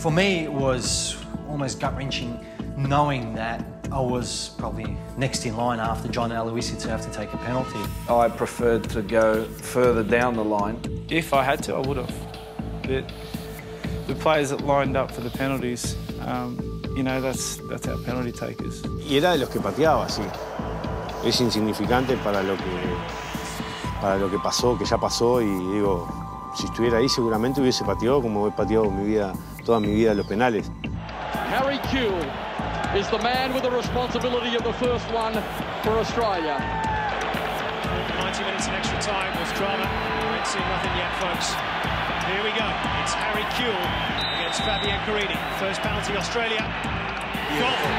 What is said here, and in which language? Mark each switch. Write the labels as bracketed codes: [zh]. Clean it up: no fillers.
[en] For me, it was almost gut-wrenching knowing that I was probably next in line after John Aloisi to have to take a penalty. I preferred to go further down the line. If I had to, I would have. But the players that lined up for the penalties, you know, that's our penalty takers. [es] Y era de los que pateaba, sí. Es insignificante para lo que pasó, que ya pasó, y digo, si estuviera ahí seguramente hubiese pateado como he pateado toda mi vida los penales. [en] Harry Kuehl is the man with the responsibility of the first one for Australia. 90 minutes in extra time, there's drama. We ain't seen nothing yet, folks. Here we go. It's Harry Kuehl against Fabian Carini. First penalty, Australia. Goal.